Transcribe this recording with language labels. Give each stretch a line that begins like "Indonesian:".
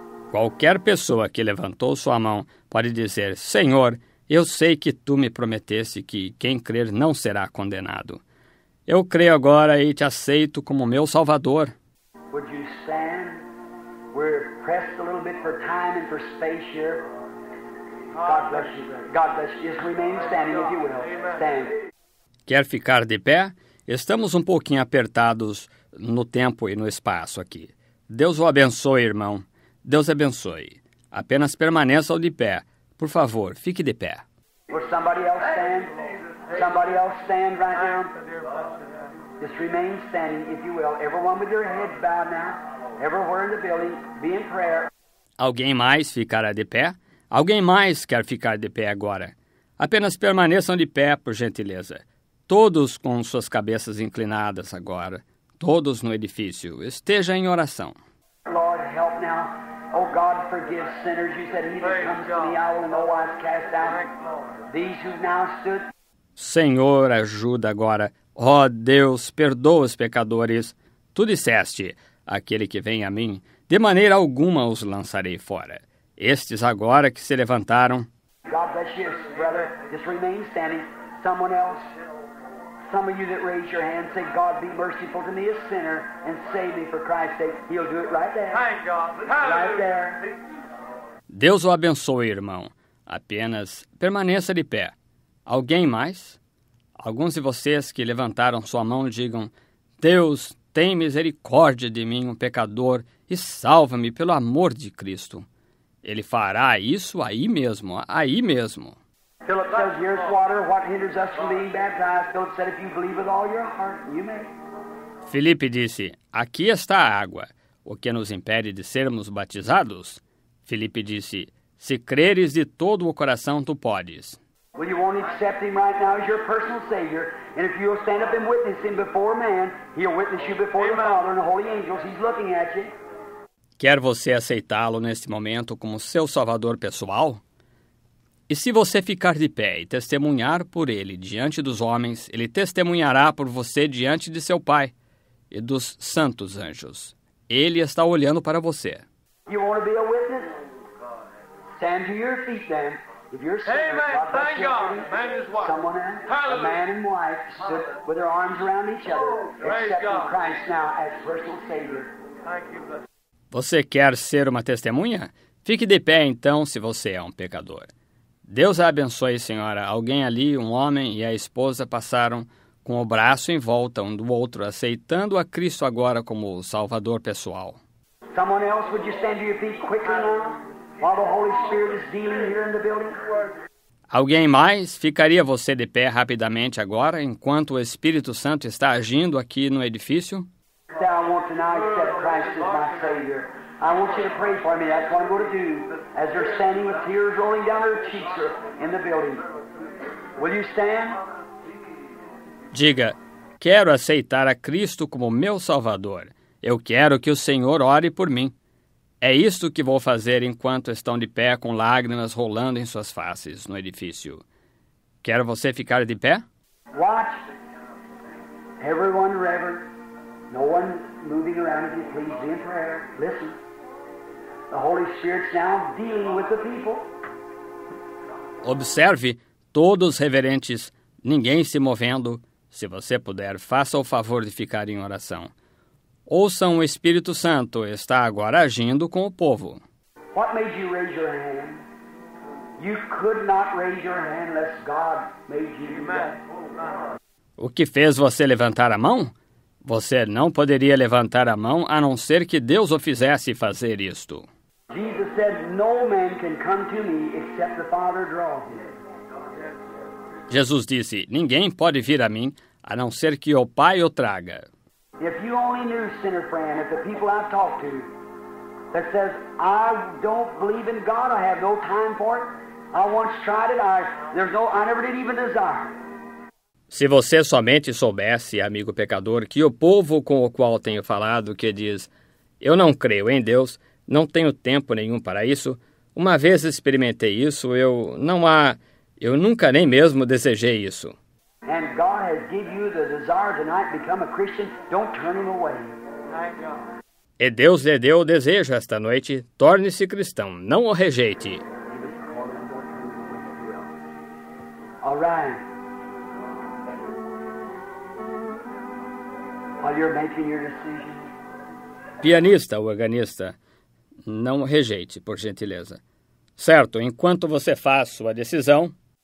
Portuguese: Qualquer pessoa que levantou sua mão pode dizer, Senhor, eu sei que tu me prometeste que quem crer não será condenado. Eu creio agora e te aceito como meu Salvador.
English: Would you stand? We're pressed a little bit for time and for space here. God bless you. God bless you. Just remain standing if you will. Stand.
Portuguese: Quer ficar de pé? Estamos um pouquinho apertados no tempo e no espaço aqui. Deus o abençoe, irmão. Deus abençoe. Apenas permaneçam de pé. Por favor, fique de pé.
English: Will somebody else stand? Somebody else stand right now? Just remain standing, if you will. Everyone with your head bowed now. Everywhere in the building, be in prayer.
Portuguese: Alguém mais ficará de pé? Alguém mais quer ficar de pé agora? Apenas permaneçam de pé, por gentileza. Todos com suas cabeças inclinadas agora, todos no edifício, esteja em oração.
English: Lord, help now. Oh, God, forgive sinners. You said, he that comes to me, I will no wise cast out. These who now stood.
Portuguese: Senhor, ajuda agora. Oh, Deus, perdoa os pecadores. Tu disseste, aquele que vem a mim, de maneira alguma os lançarei fora. Estes agora que se levantaram.
English: God bless you, brother. Just remain standing. Someone else. some of you that raise your hand say, God, be merciful to me, a sinner, and save me for Christ's sake. He'll do it right there. Thank God. Hallelujah. Right there.
Portuguese: Deus o abençoe, irmão. Apenas permaneça de pé. Alguém mais? Alguns de vocês que levantaram sua mão digam, Deus, tem misericórdia de mim, um pecador, e salva-me pelo amor de Cristo. Ele fará isso aí mesmo, aí mesmo.
English: Philip says, here's water, what hinders us from being baptized? Philip said, if you believe with all your heart, you may.
Portuguese: Felipe disse, aqui está a água, o que nos impede de sermos batizados? Felipe disse, se creres de todo o coração, tu podes.
English: Well, you won't accept him right now as your personal savior, and if you'll stand up and witness him before man, he'll witness you before the Father and the holy angels. He's looking at you.
Portuguese: Quer você aceitá-lo neste momento como seu salvador pessoal? E se você ficar de pé e testemunhar por ele diante dos homens, ele testemunhará por você diante de seu Pai e dos santos anjos. Ele está olhando para você.
English: You want to be a witness? Stand to your feet then. If you're sinner, amen. God thank God. Man and his wife. Someone, hallelujah. A man and wife sit with their arms around each other, accepting Christ now as personal Savior. Thank you, God.
Portuguese: Você quer ser uma testemunha? Fique de pé então se você é um pecador. Deus a abençoe, senhora. Alguém ali, um homem e a esposa, passaram com o braço em volta um do outro, aceitando a Cristo agora como o Salvador pessoal.
English: Someone else, would you stand to your feet quickly now? While the Holy Spirit is dealing here in the building.
Portuguese: Alguém mais? Ficaria você de pé rapidamente agora, enquanto o Espírito Santo está agindo aqui no edifício?
English: Now I want to now accept Christ as my Savior. I want you to pray for me. That's what I'm going to do. As they're standing with tears rolling down their cheeks in the building. Will you stand?
Portuguese: Diga, quero aceitar a Cristo como meu Salvador. Eu quero que o Senhor ore por mim. É isto que vou fazer enquanto estão de pé com lágrimas rolando em suas faces no edifício. Quer você ficar de pé?
English: Watch. Everyone reverent. No one moving around, if you please, be in prayer. Listen. The Holy Spirit's now dealing with the people.
Portuguese: Observe, todos reverentes, ninguém se movendo. Se você puder, faça o favor de ficar em oração. Ouçam, o Espírito Santo está agora agindo com o povo.
English: What made you raise your hand? You could not raise your hand unless God made you.
Portuguese: O que fez você levantar a mão? Você não poderia levantar a mão a não ser que Deus o fizesse fazer isto.
English: Jesus said, no man can come to me except the Father draws him.
Portuguese: Jesus disse, ninguém pode vir a mim a não ser que o Pai o traga.
English: If you only knew, sinner friend, if the people I've talked to that says, I don't believe in God, I have no time for it, I once tried it, I never did even desire.
Portuguese: Se você somente soubesse, amigo pecador, que o povo com o qual tenho falado que diz, eu não creio em Deus, não tenho tempo nenhum para isso, uma vez experimentei isso, eu nunca nem mesmo desejei isso.
English: And God has given you the desire tonight to become a Christian. Don't turn him away.
Portuguese: E Deus lhe deu o desejo esta noite. Torne-se cristão. Não o rejeite.
English: All right. While you're making your decision.
Portuguese: Pianista, organista, não o rejeite, por gentileza. Certo, enquanto você faz sua decisão.